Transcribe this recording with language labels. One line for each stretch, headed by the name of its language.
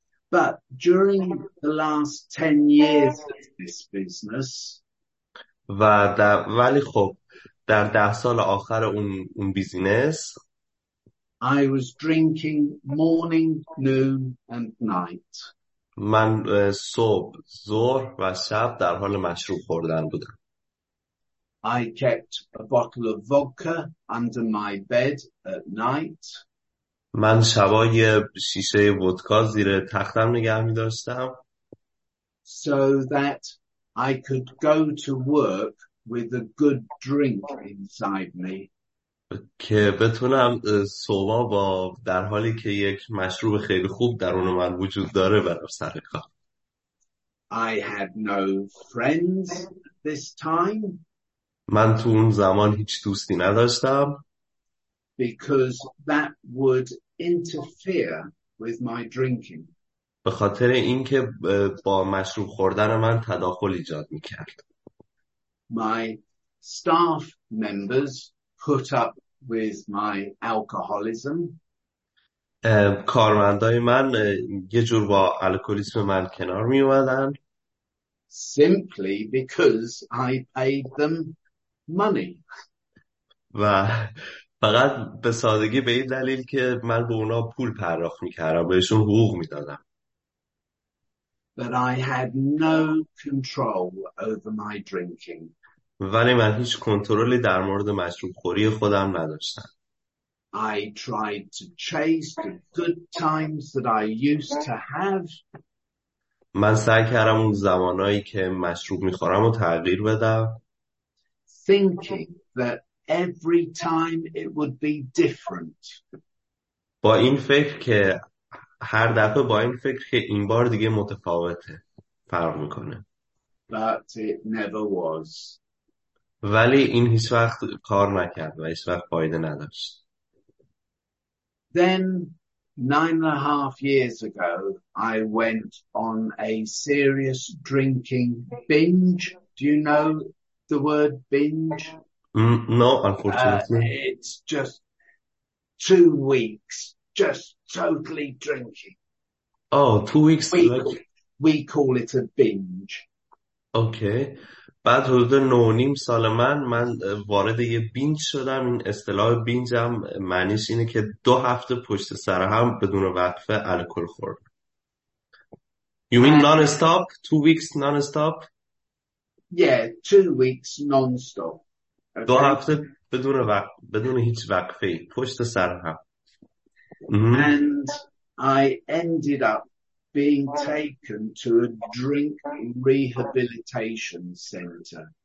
English: But during the last 10 years of this business,
Persian: ولی خب در 10 سال آخر اون بیزینس
English: I was drinking morning, noon and night.
Persian: من صبح، ظهر و شب در حال مشروب خوردن بودم.
English: I kept a bottle of vodka under my bed at night.
Persian: من شبای شیشه ودکا زیر تختم نگه می داشتم.
English: So that I could go to work with a good drink inside me.
Persian: که بتونم صبح با در حالی که یک مشروب خیلی خوب درون من وجود داره برم سر کار.
English: I had no friends this time.
Persian: من تو اون زمان هیچ دوستی نداشتم.
English: Because that would interfere with my drinking.
Persian: به خاطر اینکه با مشروب خوردن من تداخل ایجاد میکرد.
English: My staff members put up with my alcoholism.
Persian: کارمندای من یه جور با الکلیسم من کنار می اومدن.
English: Simply because I paid them money.
Persian: و فقط به سادگی به این دلیل که من به اونا پول پرداخت میکردم، بهشون حقوق میدادم.
English: But I had no control over my drinking.
Persian: ولی من هیچ کنترلی در مورد مشروب خوری خودم نداشتم.
English: I tried to chase the good times that I used to have.
Persian: من سعی کردم اون زمانایی که مشروب می‌خورم رو تغییر بدم.
English: Thinking that every time it would be different.
Persian: با این فکر که هر دفعه با این فکر که این بار دیگه متفاوته، فرق می‌کنه.
English: But it never was.
Persian: ولی این هیچ وقت کار نکرد و هیچ وقت فایده نداشت.
English: Then 9.5 years ago I went on a serious drinking binge. Do you know the word binge? No, unfortunately. It's just 2 weeks just totally drinking. Oh, 2 weeks. We call it a binge. Okay.
Persian: بعد حدود 9.5 سال من وارد یه بینج شدم. این اصطلاح بینج هم معنیش اینه که 2 هفته پشت سر هم بدون وقفه الکل خوردم.
English: You mean non-stop? 2 weeks non-stop? Yeah, 2 weeks non-stop. Okay.
Persian: 2 هفته بدون وقف، بدون هیچ وقفه پشت سر هم.
English: And I ended up being taken to a drink rehabilitation center.